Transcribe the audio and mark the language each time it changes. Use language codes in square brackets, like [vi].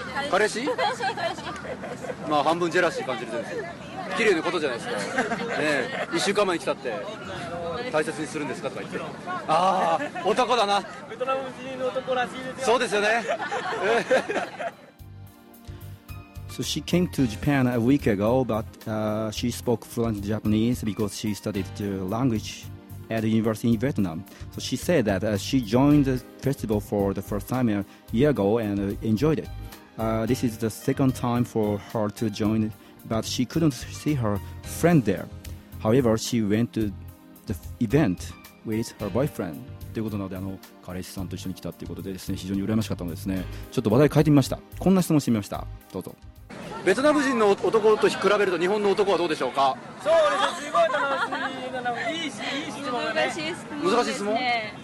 [ja] 彼氏、まあ半分ジェラシー感じるじゃないですか。綺麗なことじゃないですか、ね、え1週間前に来たって大切にするんですかとか言って、あ、男だな、ベトナム人の男らしいですよ。そうですよね。 [en] So she came to Japan a week ago, but she spoke fluent Japanese because she studied the languageat a university in Vietnam. So she said that she joined the festival for the first time a year ago and enjoyed it. This is the second time for her to join, but she couldn't see her friend there. However, she went to the event with her boyfriend. [ja] ということなので、彼氏さんと一緒に来たということでですね、非常に羨ましかったのですね。ちょっと話題変えてみました。こんな質問してみました。どうぞ。ベトナム人の男と比べると日本の男はどうでしょうか。そうですね、すごい楽しい、いい質問だね。難しい質問ですね。